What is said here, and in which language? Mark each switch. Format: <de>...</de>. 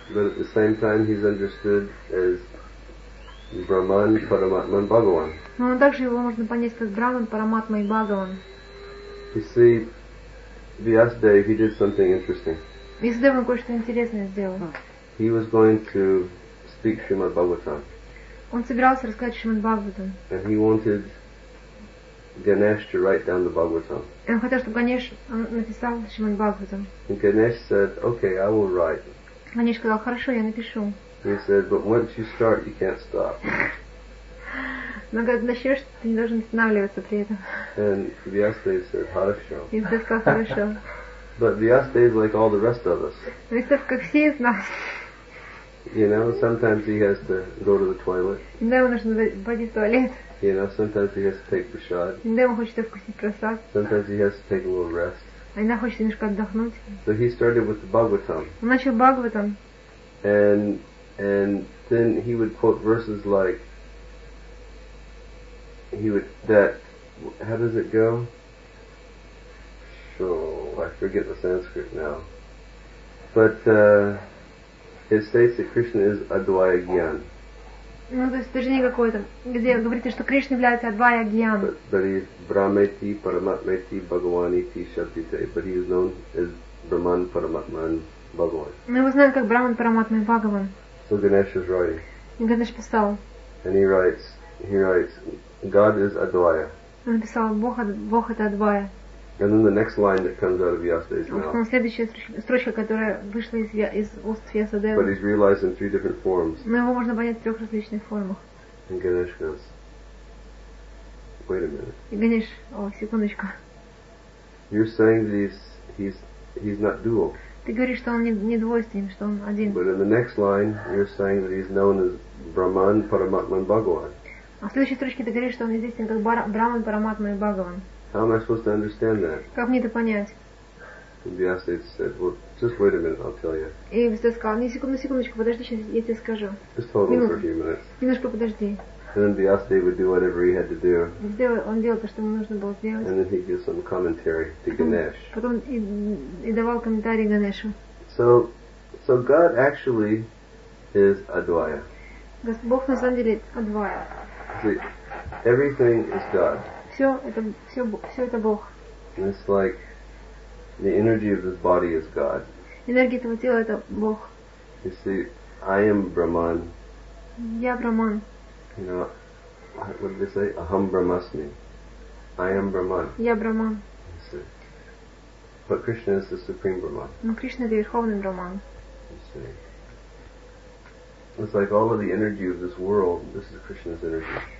<en>But at the same time he's understood as Brahman, Paramatman, Bhagavan.</en> <ru>Но также его можно понять как Брахман, Параматма и Бхагаван.</ru> <en>You see, Vyasadeva, he did something interesting.</en> <ru>Vyasadeva кое-что интересное сделал.</ru> <en>He was going to speak Shrimad Bhagavatam.</en> <ru>Он собирался рассказать Shrimad Bhagavatam.</ru> <en>And he wanted Ganesh to write down the Bhagavatam.</en> <ru>И он хотел, чтобы Ганеш написал Shrimad Bhagavatam.</ru> <en>And Ganesh said, okay, I will write.</en> <ru>Ганеш сказал, хорошо, я напишу.</ru> <en>He said, but once you start, you can't stop.</en> <ru>Но когда начнешь, ты не должен останавливаться при этом.</ru> <en>And Vyasa said,</en> <ru>"Хорошо." И Вьяса сказал, "Хорошо."</ru> <en>But Vyasa is like all the rest of us.</en> <ru>Вьяса как все из нас.</ru> <en>You know, sometimes he has to go to the toilet.</en> <ru>Иногда ему нужно пойти в туалет.</ru> <en>You know, sometimes he has to take the shot.</en> <ru>Иногда ему хочется вкусить просад.</ru> <en>Sometimes he has to take a little rest.</en> <ru>А иногда хочется немножко отдохнуть.</ru> <en>So he started with the Bhagavatam.</en> <ru>Он начал Бхагаватам.</ru> <en>And then he would quote verses like, he would, that, how does it go? So, I forget the Sanskrit now. But, it states that Krishna is Advaya Gyan.</en> <ru>Ну, то есть, точнее какое-то, где говорите, что Кришна является Advaya Gyan.</ru> <sa>But he is Brahmeti, Paramatmeti, Bhagavaniti, Shabdite.</sa> <en>But he is known as Brahman, Paramatman, Bhagavan.</en> <ru>Мы его знаем как Brahman, Paramatman, Bhagavan.</ru> <en>So Ganesh is writing.</en> <ru>Ганеш писал.</ru> <en>And he writes, God is Advaya.</en> <ru>Он написал, Бог это Advaya.</ru> <en>And then the next line that comes out of Vyasa's mouth.</en> <ru>Потом следующая строчка, которая вышла из уст Вьясадевы.</ru> <en>But he's realized in three different forms.</en> <ru>Но его можно понять в трех различных формах.</ru> <en>And Ganesh goes, wait a minute.</en> <ru>И Ганеш, о, секундочка.</ru> <en>You're saying that he's not dual.</en> <ru>Ты говоришь, что он не двойственен, что он один.</ru> <en>But in the next line, you're saying that he's known as Brahman, Paramatman, Bhagavan.</en> <ru>А в следующей строчке ты говоришь, что он известен как Брахман, Параматма и Бхагаван.</ru> <en>How am I supposed to understand that?</en> <ru>Как мне это понять?</ru> <en>Vyasa said, well, just wait a minute, I'll tell you.</en> <ru>И Вьяса сказал, не секундочку, подожди, сейчас я тебе скажу.</ru> <en>Just hold on for a few minutes.</en> <ru>Немножко подожди.</ru> <en>And then Vyasa would do whatever he had to do.</en> <ru>Он делал то, что ему нужно было сделать.</ru> <en>And then he'd give some commentary to Ganesh.</en> <ru>Потом и давал комментарий Ганешу.</ru> <en>So God actually is Advaya.</en> <ru>Бог на самом деле Advaya.</ru> <en>See, everything is God.</en> <ru>Все это Бог.</ru> <en>And it's like the energy of this body is God.</en> <ru>Энергия этого тела это Бог.</ru> <en>You see, I am Brahman.</en> <ru>Я Брахман.</ru> <en>You know, what did they say?</en> <sa>Aham Brahmasmi.</sa> <en>I am Brahman.</en> <ru>Я Брахман.</ru> <en>You see. But Krishna is the supreme Brahman.</en> <ru>Но Кришна это верховный Брахман.</ru> <en>You see. It's like all of the energy of this world, this is Krishna's energy.</en>